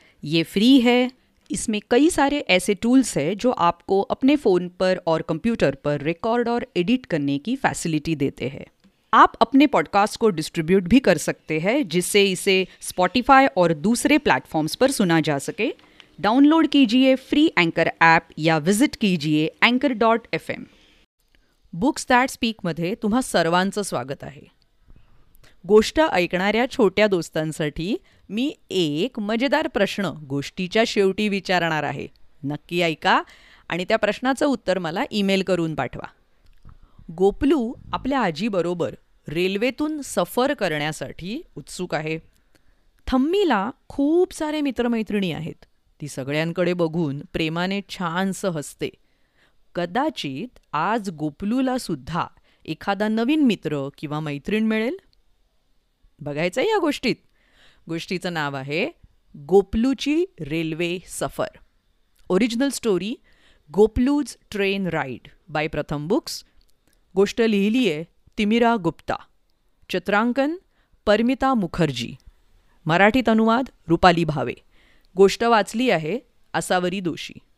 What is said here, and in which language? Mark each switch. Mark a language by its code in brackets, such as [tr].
[hi] ये फ्री है, इसमें कई सारे ऐसे टूल्स हैं जो आपको अपने फ़ोन पर और कंप्यूटर पर रिकॉर्ड और एडिट करने की फैसिलिटी देते हैं। आप अपने पॉडकास्ट को डिस्ट्रीब्यूट भी कर सकते हैं जिससे इसे स्पॉटिफाई और दूसरे प्लेटफॉर्म्स पर सुना जा सके। डाउनलोड कीजिए फ्री एंकर ऐप या विजिट कीजिए anchor.fm। [mr] बुक्स दॅट स्पीक मध्ये तुम्हा सर्वांचं स्वागत आहे। गोष्ट ऐकणाऱ्या छोट्या दोस्तांसाठी मी एक मजेदार प्रश्न गोष्टीच्या शेवटी विचारणार आहे। नक्की ऐका आणि त्या प्रश्नाचं उत्तर मला ईमेल करून पाठवा। गोपलू आपल्या आजीबरोबर रेल्वेतून सफर करण्यासाठी उत्सुक आहे। थम्मीला खूप सारे मित्रमैत्रिणी आहेत। ती सगळ्यांकडे बघून प्रेमाने छानसं हसते। कदाचित आज गोपलूला सुद्धा एखादा नवीन मित्र किंवा मैत्रीण मिळेल। बघायचं आहे या गोष्टीत। गोष्टीचं नाव आहे गोपलूची रेल्वे सफर। [en] Original story Gopalu's train ride by Pratham books. [mr] गोष्ट लिहिली आहे तिमिरा गुप्ता। चित्रांकन परमिता मुखर्जी। मराठीत अनुवाद रुपाली भावे। गोष्ट वाचली आहे असावरी दोषी।